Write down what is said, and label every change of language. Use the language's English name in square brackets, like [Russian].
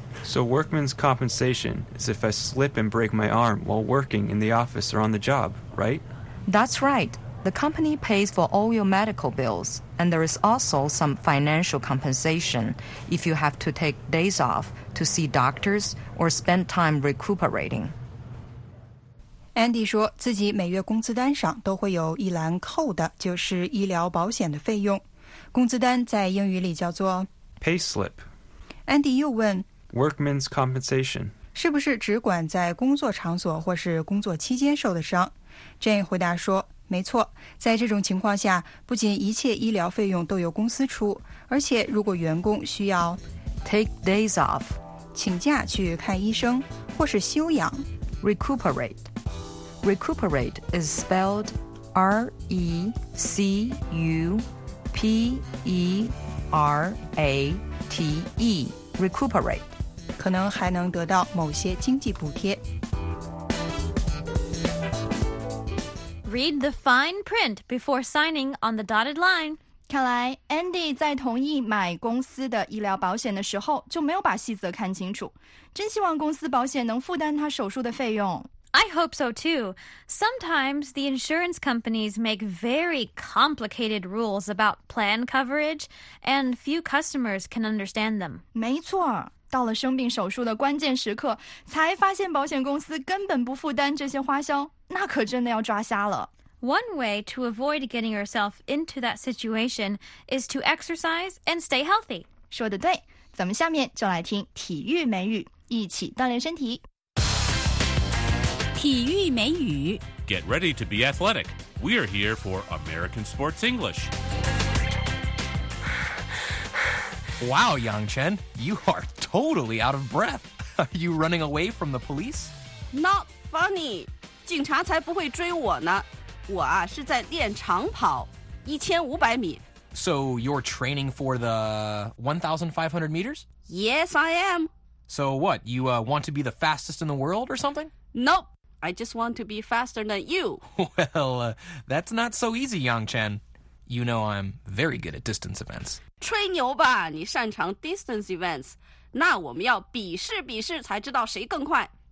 [English] So workman's compensation is if I slip and break my arm while working in the office or on the job, right? That's right. The company pays for all your medical bills, and there is also some financial compensation if you have to take days off to see doctors or spend time recuperating. [Chinese] Andy 说自己每月工资单上都会有一栏扣的，就是医疗保险的费用。工资单在英语里叫做 [English] payslip。 [Chinese] Andy 又问 [English] workman's compensation [Chinese] 是不是只管在工作场所或是工作期间受的伤？ Jane 回答说，没错，在这种情况下，不仅一切医疗费用都由公司出，而且如果员工需要 [English] take days off [Chinese] 请假去看医生或是休养 [English] recuperate。 Recuperate is spelled R-E-C-U-P-E-R-A-T-E. Recuperate. [Chinese] 可能还能得到某些经济补贴。 [English] Read the fine print before signing on the dotted line. [Chinese] 看来 Andy 在同意买公司的医疗保险的时候就没有把细则看清楚。真希望公司保险能负担他手术的费用。 [English] I hope so too. Sometimes the insurance companies make very complicated rules about plan coverage, and few customers can understand them. [Chinese] 没错，到了生病手术的关键时刻，才发现保险公司根本不负担这些花销，那可真的要抓瞎了。 [English] One way to avoid getting yourself into that situation is to exercise and stay healthy. [Chinese] 说得对，咱们下面就来听体育美语，一起锻炼身体。体育美语 [English] Get ready to be athletic. We are here for American Sports English. Wow, Yangchen, you are totally out of breath. Are you running away from the police? Not funny. [Chinese] 警察才不会追我呢。我啊是在练长跑，1500米。 [English] So you're training for the 1,500 meters? Yes, I am. So what, you want to be the fastest in the world or something? Nope. I just want to be faster than you. Well, that's not so easy, Yangchen. You know I'm very good at distance events. [Chinese] 吹牛吧，你擅长 distance events. 那我们要比试比试才知道谁更快。